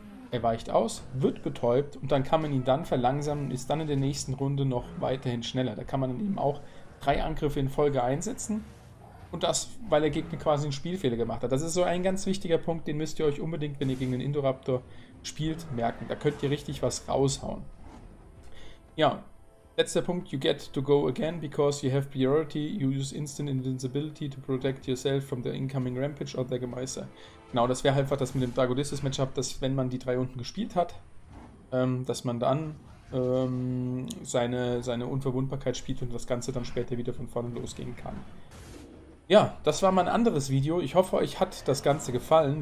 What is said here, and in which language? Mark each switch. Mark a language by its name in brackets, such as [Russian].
[German] Er weicht aus, wird betäubt und dann kann man ihn dann verlangsamen und ist dann in der nächsten Runde noch weiterhin schneller. Da kann man dann eben auch drei Angriffe in Folge einsetzen und das, weil der Gegner quasi einen Spielfehler gemacht hat. Das ist so ein ganz wichtiger Punkt, den müsst ihr euch unbedingt, wenn ihr gegen den Indoraptor spielt, merken. Da könnt ihr richtig was raushauen. Ja, letzter Punkt. [English] You get to go again because you have priority. You use instant invincibility to protect yourself from the incoming rampage of the Gemeister. [German] Genau, das wäre einfach das mit dem Dragodistis-Matchup, dass wenn man die drei unten gespielt hat, dass man dann seine Unverwundbarkeit spielt und das Ganze dann später wieder von vorne losgehen kann. Ja, das war mein anderes Video. Ich hoffe, euch hat das Ganze gefallen.